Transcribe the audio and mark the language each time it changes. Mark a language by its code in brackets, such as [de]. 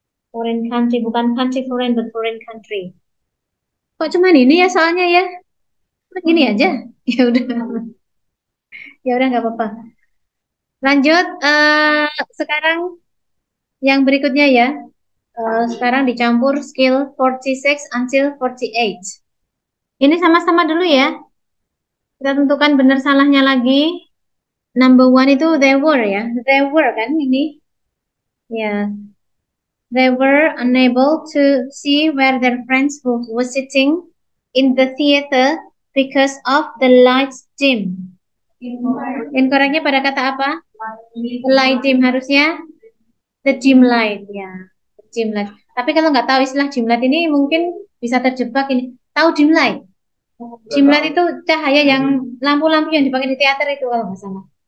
[en] Foreign country, [id] bukan [en] country foreign, but foreign country. [id] Kok cuman ini ya soalnya ya? Begini aja. Ya udah. Ya udah nggak apa-apa. Lanjut, sekarang yang berikutnya ya. Sekarang dicampur skill 46 until 48. Ini sama-sama dulu ya. Kita tentukan benar salahnya lagi. [en] Number one itu there were ya. There were [id] kan ini. [en] Ya. They were unable to see where their friends who were sitting in the theater because of the lights dim. [id] Incorrectnya pada kata apa? Light dim harusnya [en] the dim light [id] ya. Dim light. Tapi kalau nggak tahu istilah dim light ini mungkin bisa terjebak ini. Tahu dim light? Dim light itu cahaya yang lampu-lampu yang dipakai di teater itu kalau nggak salah.